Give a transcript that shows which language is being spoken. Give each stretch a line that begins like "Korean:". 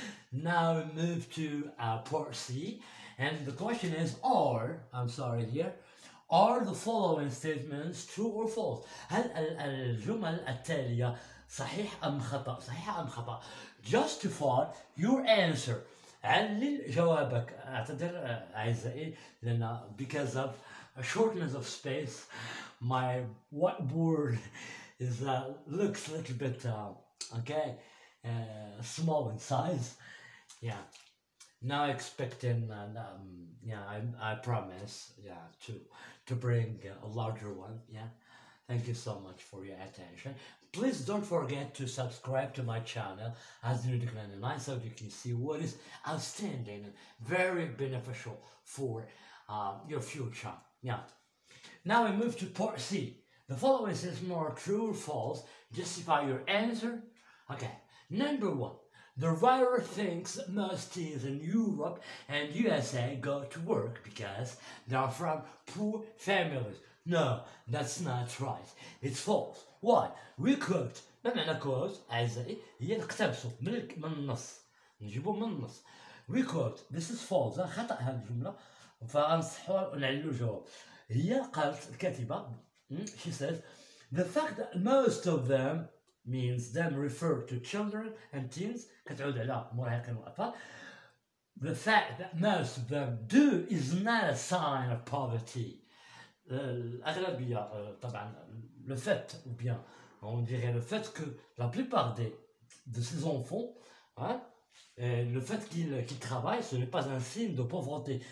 English: now we move to part C and the question is are the following statements true or false
Arabic: هل الجمل التالية صحيح أم خطأ
English: صحيح أم خطأ justify your answer
Arabic: علل جوابك أعتذر أعزائي لأن
English: because of shortness of space my whiteboard looks a little bit okay small in size. Now expecting and I promise to bring a larger one. Thank you so much for your attention. Please don't forget to subscribe to my channel as Nutri99 so you can see what is outstanding and very beneficial for your future. Now we move to part C. The following is more true or false. Justify your answer. Okay, number one. The writer thinks most teens in Europe and USA go to work because they are from poor families. No, that's not right. It's false. Why? We quote.
Arabic: ما معنى quote؟ أعزائي هي الاقتباس من النص. نجيبه من النص.
English: We quote. This is false.
Arabic: خطأ هذه الجملة. فأنصح ونعلل الجواب. هي قالت الكاتبة.
English: She says. The fact that most of them means them refer to children and teens.
Arabic: كتعود على مراهقين وأطفال.
English: The fact that most of them do is not a sign of poverty.
French: L'agrabia, le fait, ou bien on dirait le fait que la plupart de ces enfants, le fait qu'ils travaillent, ce n'est pas un signe de pauvreté.